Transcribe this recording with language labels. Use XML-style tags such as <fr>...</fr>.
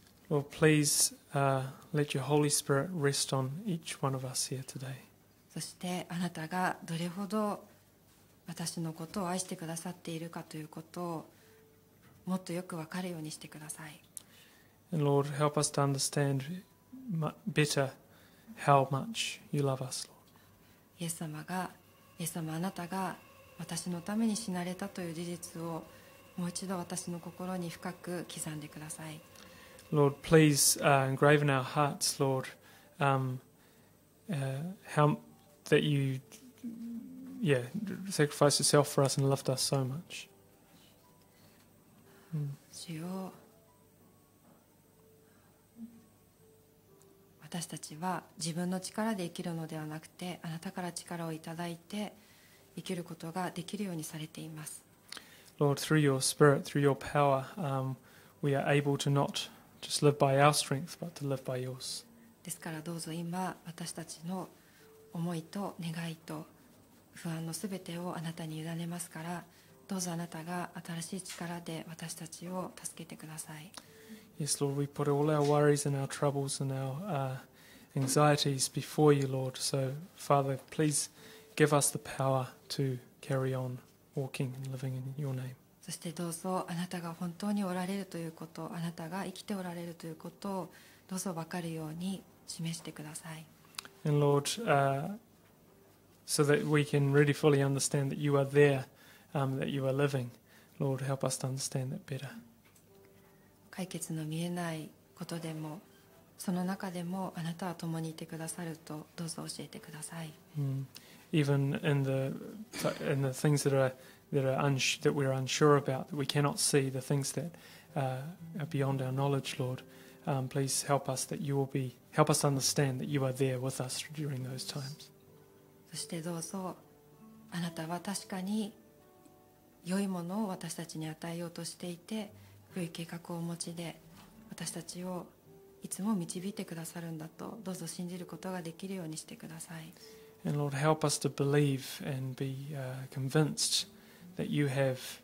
<en>Lord, please let your Holy Spirit rest on each one of us here today.</en> <ja>そしてあなたがどれほど私のことを愛してくださっているかということをもっとよく分かるようにしてください。</ja> <en>And Lord, help us to understand better how much you love us, Lord.</en> <ja>イエス様、あなたが私のために死なれたという事実をもう一度私の心に深く刻んでください。</ja> <en>Lord, please engrave in our hearts, Lord, sacrificed yourself for us and loved us so much.</en> <ja>主よ、私たちは自分の力で生きるのではなくて、あなたから力をいただいて生きることができるようにされています。</ja> <en>Lord, through your spirit, through your power, we are able to not just live by our strength, but to live by yours.</en> <ja>ですからどうぞ今私たちの思いと願いと不安のすべてをあなたに委ねますから、どうぞあなたが新しい力で私たちを助けてください。</ja> <en>Yes, Lord, we put all our worries and our troubles and our anxieties before you, Lord. So, Father, please give us the power to carry on walking and living in your name.</en> <ja>そしてどうぞあなたが本当におられるということ、あなたが生きておられるということをどうぞ分かるように示してください。</ja> <en>And Lord, so that we can really fully understand that you are there. That you are living. Lord, help us to understand that better.</en> <ja>解決の見えないことでも、その中でもあなたは共にいてくださるとどうぞ教えてください。</ja> <en>Even in the things that we are unsure about, that we cannot see, the things that are beyond our knowledge, Lord, please help us to understand that you are there with us during those times.</en> <ja>そしてどうぞあなたは確かに良いものを私たちに与えようとしていて、良い計画をお持ちで私たちをいつも導いてくださるんだと、どうぞ信じることができるようにしてください。</ja> <en>And Lord, help us to believe and be convinced that you have</en>